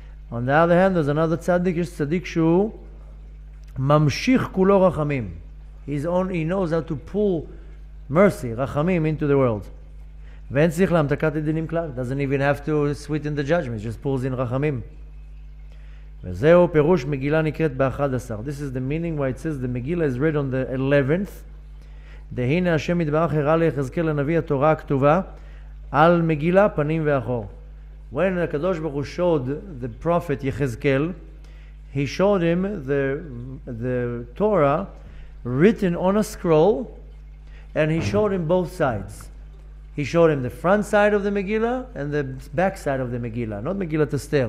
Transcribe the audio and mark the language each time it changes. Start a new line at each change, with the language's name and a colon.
English: On the other hand, there's another tzadik,
Hebrew: yesh tzadik shu mamshich kulo rachamim.
English: He knows how to pull mercy, rachamim, into the world.
Yiddish: Ven tzich lam takat hadinim klar.
English: Doesn't even have to sweeten the judgments, just pulls in rachamim.
Hebrew: וזהו פירוש מגילה נקראת באחד עשר.
English: This is the meaning why it says the Megillah is read on the 11th.
Hebrew: דהינה השם יתברך הראה ליחזקאל הנביא התורה הכתובה על מגילה פנים ואחור.
English: When הקדוש ברוך הוא showed the prophet יחזקאל, he showed him the Torah written on a scroll and he showed him both sides. He showed him the front side of the Megillah and the back side of the Megillah. Not Megillah Tester.